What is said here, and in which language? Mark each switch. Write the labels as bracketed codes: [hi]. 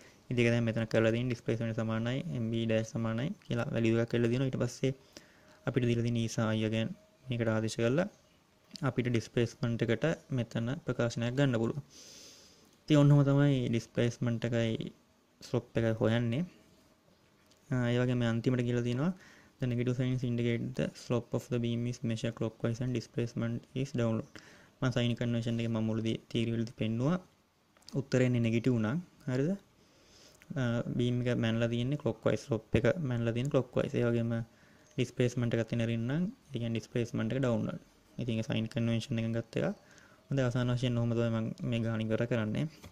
[si] ඉතින් ඒක දැන් මෙතන කරලා තියෙන ඩිස්ප්ලේස්මන්ට් සමානයි MB ඩෑෂ් සමානයි කියලා වැලියු එකක් කියලා දිනවා. ඊට පස්සේ අපිට දීලා තියෙන ISA අය ගැන මේකට ආදේශ කරලා අපිට ඩිස්ප්ලේස්මන්ට් එකට මෙතන ප්‍රකාශනයක් ගන්න පුළුවන්. ඉතින් ඔන්නම තමයි ඩිස්ප්ලේස්මන්ට් එකයි ස්ලොප් එකයි හොයන්නේ. ඒ වගේ මේ අන්තිමට කියලා තියෙනවා [en] the negative signs indicate the slope of the beam is measured clockwise and displacement is downward. [si] මම sin convention එකේ මම මුලදී theory වලදී පෙන්නුවා උත්තරේ එන්නේ negative උනා. හරිද? බීම් එක මැනලා තියෙන්නේ clockwise slope එක මැනලා තියෙන්නේ clockwise. ඒ වගේම displacement එකක් තිනරින්න නම් ඒ කියන්නේ displacement එක downward. ඉතින් ඒ sin convention එකෙන් ගත්ත එක. හොඳ අවසාන වශයෙන් ඔහම තමයි මම මේ ගණන් ඉවර කරන්නේ.